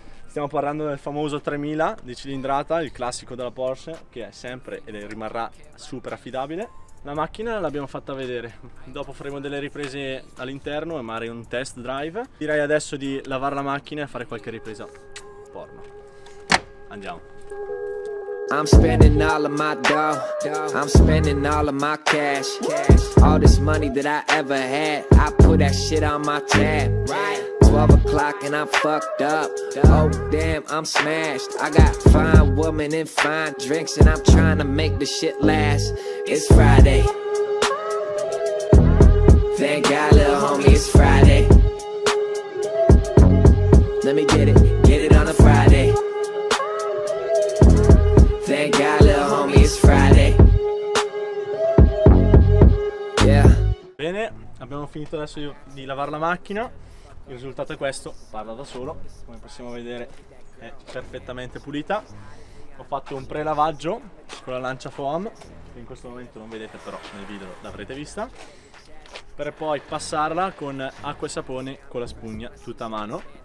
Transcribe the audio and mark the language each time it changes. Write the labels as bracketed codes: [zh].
[it] Stiamo parlando del famoso 3000 di cilindrata, il classico della Porsche, che è sempre e rimarrà super affidabile. La macchina l'abbiamo fatta vedere, dopo faremo delle riprese all'interno e magari un test drive. Direi adesso di lavare la macchina e fare qualche ripresa porno. Andiamo. [en] I'm spending all of my dough, I'm spending all of my cash, all this money that I ever had, I put that shit on my tab, right? 12 o'clock and I'm fucked up. Oh damn, I'm smashed. I got fine woman and fine drinks and I'm trying to make the shit last. It's Friday. Thank God, little homie, it's Friday. Let me get it on a Friday. Thank God, little homie, it's Friday. Yeah. [it] Bene, abbiamo finito adesso di lavare la macchina. Il risultato è questo, parla da solo, come possiamo vedere è perfettamente pulita. Ho fatto un prelavaggio con la Lancia Foam, che in questo momento non vedete però nel video l'avrete vista, per poi passarla con acqua e sapone con la spugna tutta a mano.